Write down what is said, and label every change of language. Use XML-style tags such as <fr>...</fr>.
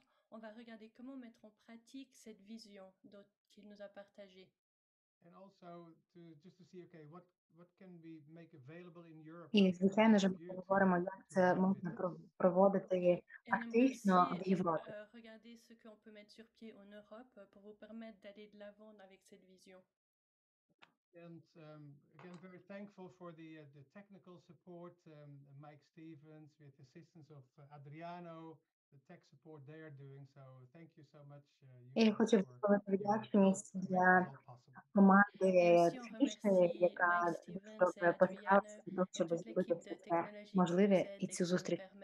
<fr>On va regarder comment mettre en pratique cette vision qu'il nous a partagée.</fr> <en>And also to just to see, okay, what can we make available in Europe?</en> <uk>І звичайно ж, ми поговоримо, як це можна проводити практично в Європі.</uk> <fr>Regardez ce qu'on peut mettre sur pied en Europe pour vous permettre d'aller de l'avant avec cette vision.</fr> <en>And again, very thankful for the technical support, Mike Stevens, with assistance of Adriano. The tech support they are doing, so thank you so much.</en> <uk>І хочу висловити вдячність для команди технічної, яка дуже постаралася, щоб зробити все це можливе і цю зустріч.</uk>